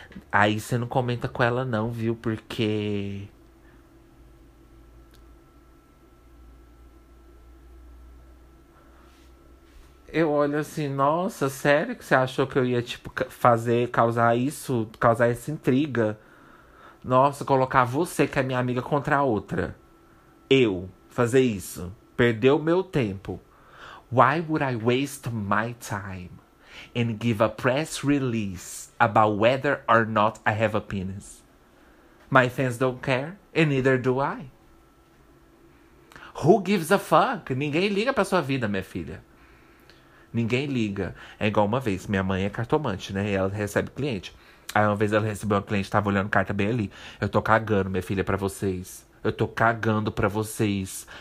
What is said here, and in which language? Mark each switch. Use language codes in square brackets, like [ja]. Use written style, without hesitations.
[pt] Aí você não comenta com ela, não, viu? Porque eu olho assim, nossa, sério que você achou que eu ia, tipo, fazer, causar isso, causar essa intriga? Nossa, colocar você, que é minha amiga, contra a outra. Eu fazer isso. Perder o meu tempo. [en] Why would I waste my time and give a press release about whether or not I have a penis? My fans don't care, and neither do I. Who gives a fuck? [pt] Ninguém liga pra sua vida, minha filha. Ninguém liga. É igual uma vez, minha mãe é cartomante, né? Ela recebe cliente. Aí uma vez ela recebeu um cliente, tava olhando carta bem ali. Eu tô cagando, minha filha, pra vocês. Eu tô cagando pra vocês.